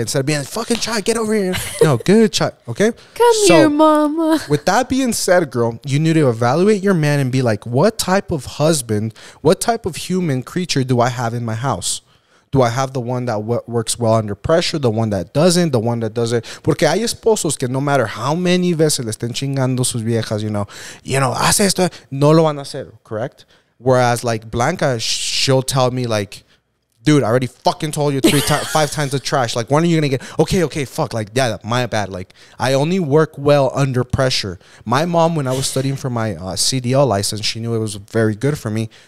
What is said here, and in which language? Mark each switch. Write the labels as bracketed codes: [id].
[en] Instead of being like, fucking Chai, get over here. No, good Chai. Okay? Come here, mama. With that being said, girl, you need to evaluate your man and be like, what type of husband, what type of human creature do I have in my house? Do I have the one that works well under pressure, the one that doesn't, the one that doesn't? [es] Porque hay esposos que [en] no matter how many [es] veces le estén chingando sus viejas, [en] you know, [es] hace esto, no lo van a hacer, [en] correct? Whereas, like, Blanca, she'll tell me, like, dude, I already fucking told you five times the trash. Like, when are you going to get, okay, fuck, like, yeah, my bad. Like, I only work well under pressure. My mom, when I was studying for my CDL license, she knew it was very good for me.